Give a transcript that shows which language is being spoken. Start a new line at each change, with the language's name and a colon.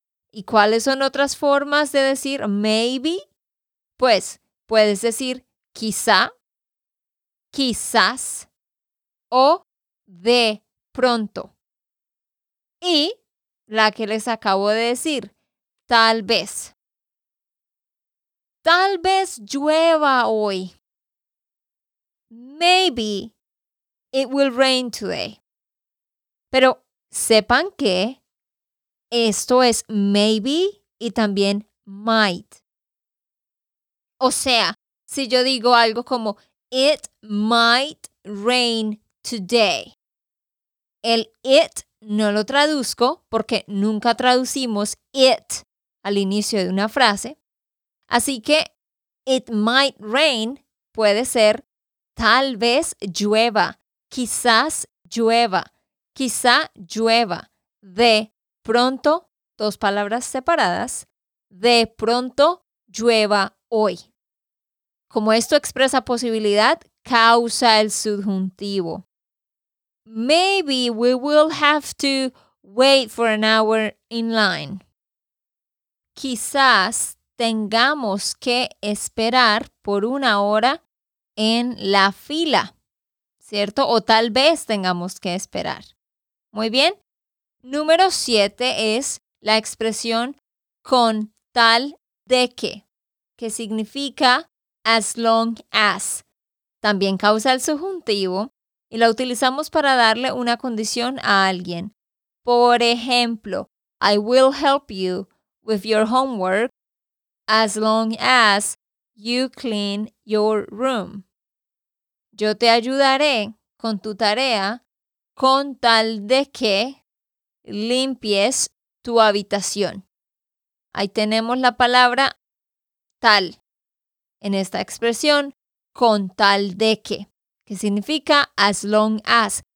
Spanish: ¿Y cuáles son otras formas de decir maybe? Pues puedes decir quizá, quizás o de pronto. Y la que les acabo de decir, tal vez. Tal vez llueva hoy.
English: Maybe it will rain today.
Spanish: Pero sepan que esto es maybe y también might. O sea, si yo digo algo como
English: it might rain today.
Spanish: El it no lo traduzco porque nunca traducimos it al inicio de una frase. Así que
English: it might rain
Spanish: puede ser tal vez llueva, quizás llueva, quizá llueva, de pronto, dos palabras separadas, de pronto llueva hoy. Como esto expresa posibilidad, causa el subjuntivo.
English: Maybe we will have to wait for an hour in line.
Spanish: Quizás tengamos que esperar por una hora en la fila, ¿cierto? O tal vez tengamos que esperar. Muy bien. Número 7 es la expresión con tal de que significa
English: as long as.
Spanish: También causa el subjuntivo y la utilizamos para darle una condición a alguien. Por ejemplo,
English: I will help you with your homework as long as you clean your room.
Spanish: Yo te ayudaré con tu tarea con tal de que limpies tu habitación. Ahí tenemos la palabra tal en esta expresión, con tal de que significa
English: as long as.